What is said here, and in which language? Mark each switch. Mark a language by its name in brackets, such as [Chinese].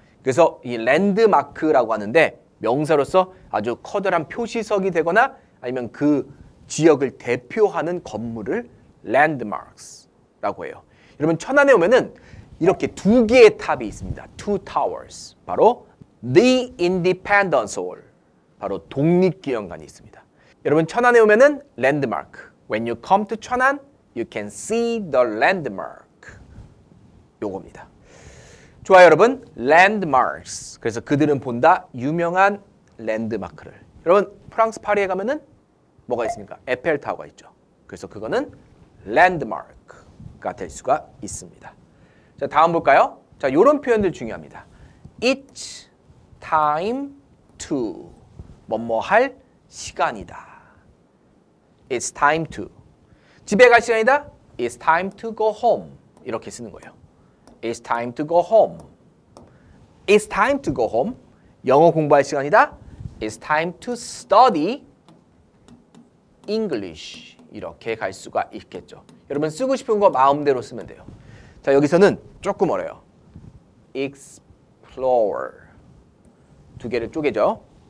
[Korean] 그래서 이 landmark라고 하는데 명사로서 아주 커다란 표시석이 되거나 아니면 그 지역을 대표하는 건물을 landmarks라고 해요. 여러분 천안에 오면은 이렇게 두 개의 탑이 있습니다. [English] Two towers. 바로 The Independence Hall. [Korean] 바로 독립기념관이 있습니다. 여러분 천안에 오면은 landmark. [English] When you come to 천안, you can see the landmark. [Korean] 요겁니다. 좋아요 여러분. Landmarks. 그래서 그들은 본다. 유명한 랜드마크를. 여러분 프랑스 파리에 가면은 뭐가 있습니까? 에펠타워가 있죠. 그래서 그거는 landmark가 될 수가 있습니다. 자 다음 볼까요? 자 이런 표현들 중요합니다. [English] It's time to [Korean] 뭐뭐 할 시간이다. [English] It's time to [Korean] 집에 갈 시간이다. [English] It's time to go home [Korean] 이렇게 쓰는 거예요. [English] It's time to go home. It's time to go home. [Korean] 영어 공부할 시간이다. [English] It's time to study English [Korean] 이렇게 갈 수가 있겠죠. 여러분 쓰고 싶은 거 마음대로 쓰면 돼요. 자 여기서는 조금 어려요. Explore 두 개를 쪼개죠.